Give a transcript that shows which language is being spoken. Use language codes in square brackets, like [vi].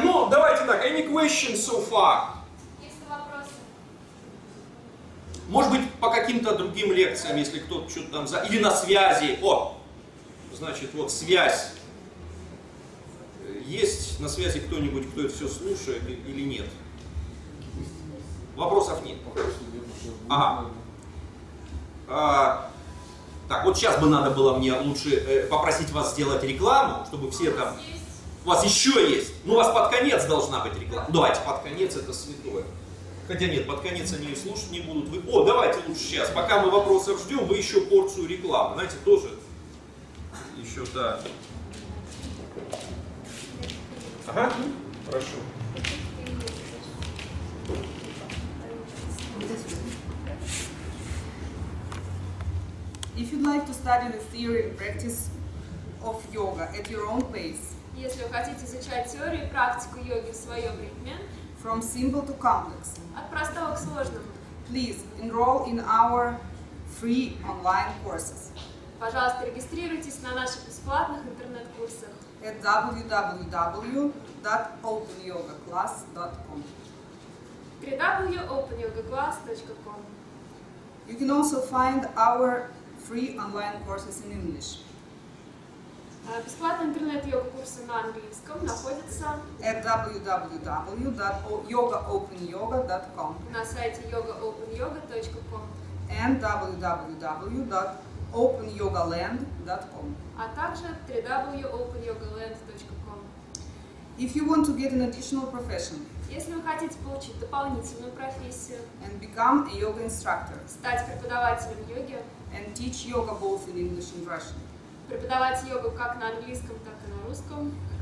[ru] Ну, давайте так, [en] any questions so far? [ru] Есть вопросы? Может быть, по каким-то другим лекциям, если кто-то что-то там... Или на связи. О! Значит, вот связь. Есть на связи кто-нибудь, кто это все слушает или нет? Вопросов нет. Ага. Так, вот сейчас бы надо было мне лучше попросить вас сделать рекламу, чтобы все там... У вас еще есть. Ну, у вас под конец должна быть реклама. Давайте, под конец это святое. Хотя нет, под конец они и слушать не будут. Вы... О, давайте лучше сейчас. Пока мы вопросов ждем, вы еще порцию рекламы. Знаете, тоже еще, да. Ага, хорошо. [en] If you'd like to study the theory and practice of yoga at your own pace, [ru] если вы хотите изучать теорию и практику йоги в своем ритме, [en] from simple to complex, [ru] от простого к сложному, [en] please enroll in our free online courses. [ru] Пожалуйста, регистрируйтесь на наших бесплатных интернет-курсах [en] at www.openyogaclass.com. www.openyogaclass.com. You can also find our free online courses in English. [ru] Бесплатные интернет-йога-курсы на английском находятся [en] at www.yogaopenyoga.com, [ru] на сайте yogaopenyoga.com [en] and www.openyogaland.com, [ru] а также www.openyogaland.com. [en] If you want to get an additional profession, [ru] если вы хотите получить дополнительную профессию [en] and become a yoga instructor, [ru] стать преподавателем йоги [en] and teach yoga both in English and Russian, [ru] преподавать йогу как на английском, так и на русском.